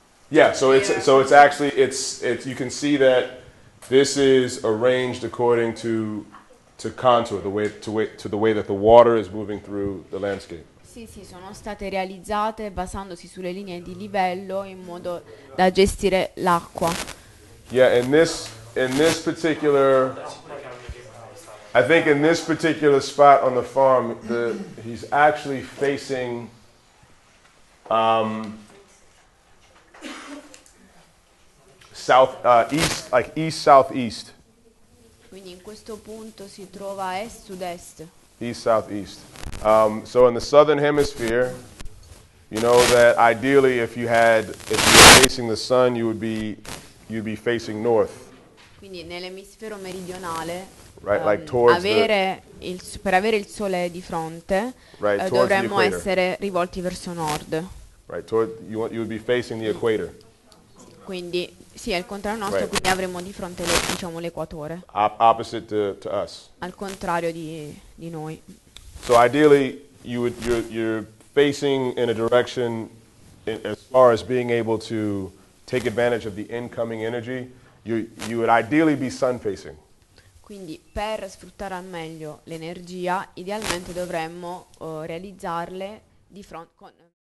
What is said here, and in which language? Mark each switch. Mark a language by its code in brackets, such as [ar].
[en] Yeah, so it's actually you can see that this is arranged according to contour, the way that the water is moving through the landscape. [it] Sì, sì, sono state realizzate basandosi sulle linee di livello in modo da gestire l'acqua. [en] Yeah, in this particular spot on the farm, he's actually facing east, like east southeast. [it] Quindi in questo punto si trova est sud-est. [en] East southeast. So in the southern hemisphere, you know that ideally if you're facing the sun, you'd be facing north. [it] Quindi nell'emisfero meridionale. [en] Right, like towards [it] per avere il sole di fronte, [en] right, [it] dovremmo essere rivolti verso nord. [en] Right, you would be facing the equator. [it] Quindi sì, al contrario nostro, right. Quindi avremo di fronte diciamo l'equatore. [en] Opposite to us. [it] Al contrario di noi. [en] So ideally you're facing in a direction in, as far as being able to take advantage of the incoming energy, you would ideally be sun facing. [it] Quindi per sfruttare al meglio l'energia, idealmente dovremmo realizzarle di fronte con